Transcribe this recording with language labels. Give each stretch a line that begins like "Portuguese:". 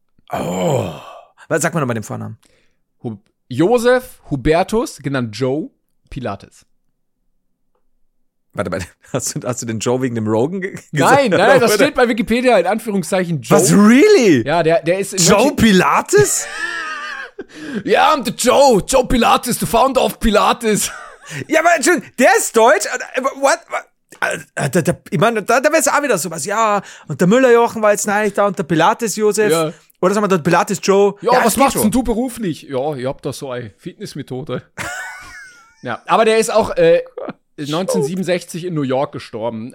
German: Oh. Was sagt man nochmal den Vornamen? Josef Hubertus, genannt Joe Pilates. Warte mal, hast du den Joe wegen dem Rogan gesagt? Nein, das steht bei Wikipedia in Anführungszeichen Joe. Was, really? Ja, der ist in Joe Pilates?
English: Ja, I'm the Joe Pilates, the founder of Pilates.
German: Ja, aber Entschuldigung, der ist deutsch? What? Ich meine, da wär's auch wieder sowas. Ja, und der Müller-Jochen war jetzt neulich da und der Pilates-Josef. Ja. Oder sagen wir dort Pilates-Joe. Ja, was machst denn du beruflich? Ja, ich hab da so eine Fitnessmethode. Ja, aber der ist auch 1967 in New York gestorben.